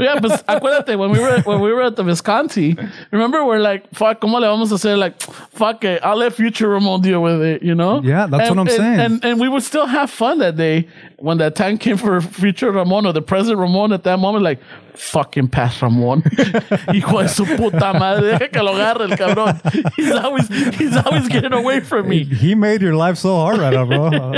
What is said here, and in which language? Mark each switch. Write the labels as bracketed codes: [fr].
[en] Yeah, but acuérdate, when we were at the Visconti, remember we're like, fuck, [es] ¿cómo le vamos a hacer? [en] Like, fuck it, I'll let future Ramon deal with it, you know? Yeah, that's what I'm saying. And we would still have fun that day when that time came for future Ramon or the present Ramon at that moment, like, fucking past Ramon. [es] Hijo de su puta madre, deja que lo agarre el cabrón. [en] He's always getting away from me. He made your life so hard right now, bro.